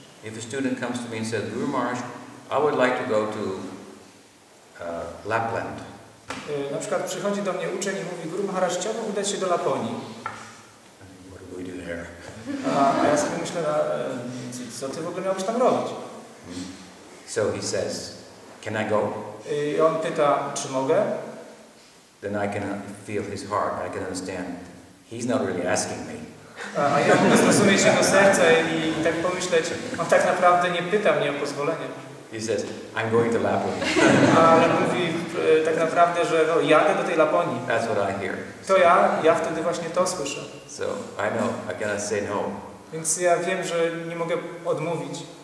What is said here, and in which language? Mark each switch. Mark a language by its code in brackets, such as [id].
[en] If a student comes to me and says, Guru Maharaj, I would like to go to Lapland. [pl] Na przykład przychodzi do mnie uczeń i mówi, Guru Maharaj, chciałbym udać się do Laponii. [en] What do we do there? [pl] A ja sobie myślę, co ty w ogóle miałbyś tam robić? [en] So he says, can I go? [pl] I on pyta, czy mogę? [en] Then I can feel his heart, I can understand, he's not really asking me. [pl] A ja mogę zrozumieć jego serce i tak pomyśleć, on tak naprawdę nie pyta mnie o pozwolenie. [en] He says, I'm going to Laponia. [pl] Ale mówi tak naprawdę, że no, jadę do tej Laponii. [en] That's what I hear. [pl] To ja wtedy właśnie to słyszę. [en] So, I know, I cannot say no. [pl] Więc ja wiem, że nie mogę odmówić.